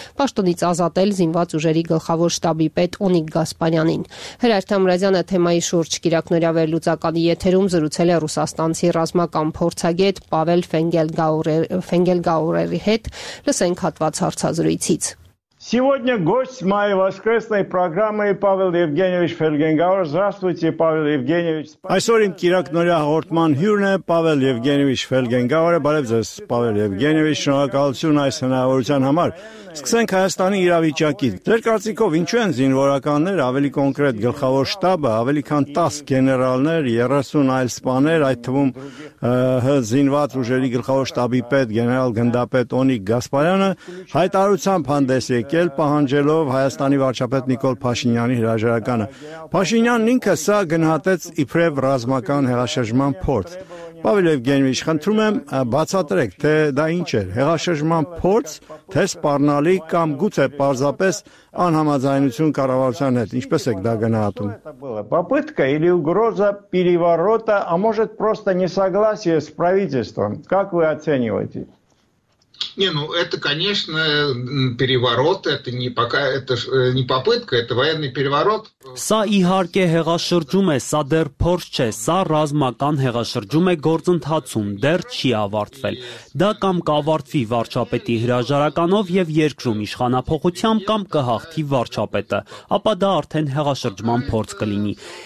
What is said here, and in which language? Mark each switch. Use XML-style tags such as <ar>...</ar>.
<hy>պաշտոնից ազատել զինված ուժերի գլխավոր շտաբի պետ Օնիկ Գասպարյանին։ Հրաշտ Համրազյանը թեմայի շուրջ կիրակնօրյա վերլուծականի եթերում զրուցել է ռուսաստանցի ռազմական փորձագետ Պավել Фенгельгауэрի հետ, լսենք հատված հարցազրույցից։</hy> <ru>Сегодня гость моей воскресной программы Павел Евгеньевич Фенгельгауэр. Здравствуйте, Павел Евгеньевич.</ru> <hy>Այսօր իմ կիրակնօրյա հաղորդման հյուրն է Павел Евгеньевич Фенгельгауэր, բարև ձեզ, Павел Евгеньевич, շնորհակալություն այս հնարավորության համար։ Սկսենք Հայաստանի իրավիճակից։ Ձեր կարծիքով ինչու են զինվորականներ, ավելի կոնկրետ գլխավոր շտաբը, ավելի քան 10 գեներալներ, 30 այլ սպաներ, այդ թվում զինված ուժերի գլխավոր շտաբի պետ գեներալ գնդապետ Օնիկ Գասպարյանը հայտարարությամբ հանդես եկել, պահանջելով Հայաստանի վարչապետ Նիկոլ Փաշինյանի հրաժարականը։ Փաշինյանն ինքը սա գնահատեց իբրև ռազմական հեղաշրջման փորձ։ Պավել Եվգենիևիչ, խնդրում եմ, բացատրեք, թե դա ինչ էր, հեղաշրջման փորձ, թե սպառնալի կամ գուցե պարզապես անհամաձայնություն կառավարության հետ, ինչպես եք դա գնահատում։</hy> <ru>Попытка или угроза переворота, а может просто несогласие с правительством, как вы оцениваете? Не, ну это, конечно, переворот, это не пока это не попытка, это военный переворот.</ru> <hy>Սա իհարկե հեղաշրջում է, սա դեռ փորձ չէ, սա ռազմական հեղաշրջում է գործընթացում, դեռ չի ավարտվել։ Դա կամ կավարտվի վարչապետի հրաժարականով եւ երկրում իշխանապողությամբ, կամ կհաղթի վարչապետը, ապա դա արդեն հեղաշրջման փորձ կլինի։</hy>